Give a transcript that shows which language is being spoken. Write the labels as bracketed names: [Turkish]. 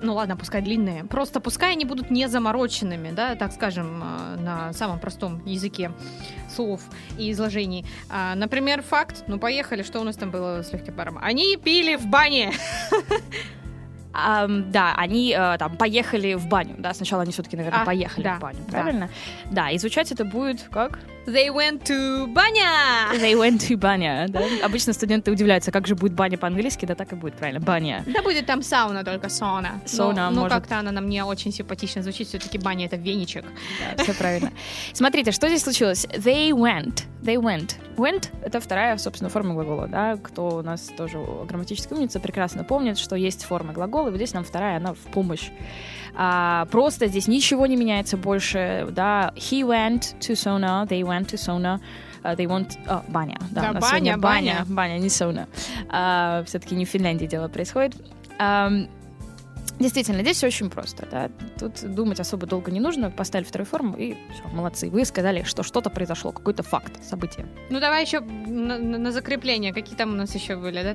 [Russian] Ну ладно, пускай длинные. Просто пускай они будут не замороченными, да, так скажем, на самом простом языке слов и изложений. Например, факт. Ну, поехали, что у нас там было с легким паром? Они пили в бане! Да, они там поехали в баню, да, сначала они все-таки, наверное, поехали в баню, правильно? Да, и звучать это будет как... [English] They went to баня! They went to баня, да? [Russian] Обычно студенты удивляются, как же будет баня по-английски, да так и будет, правильно, баня. Да будет там сауна только, сауна. Сауна, может... Ну, как-то она нам не очень симпатично звучит, все-таки баня — это веничек. Да, все правильно. Смотрите, что здесь случилось? [English] They went. [Russian] Went — это вторая, собственно, форма глагола, да? Кто у нас тоже грамматическая умница, прекрасно помнит, что есть форма глагола, и вот здесь нам вторая, она в помощь. Просто здесь ничего не меняется больше, да, [English] he went to sauna, [Russian] they went to sauna, [English] they want... [Russian] О, баня. Да, да, баня, баня. Баня, не сауна. Все-таки не в Финляндии дело происходит. Действительно, здесь все очень просто. Да? Тут думать особо долго не нужно. Поставили вторую форму, и все, молодцы. Вы сказали, что что-то произошло, какой-то факт, событие. Ну, давай еще на закрепление. Какие там у нас еще были? Да?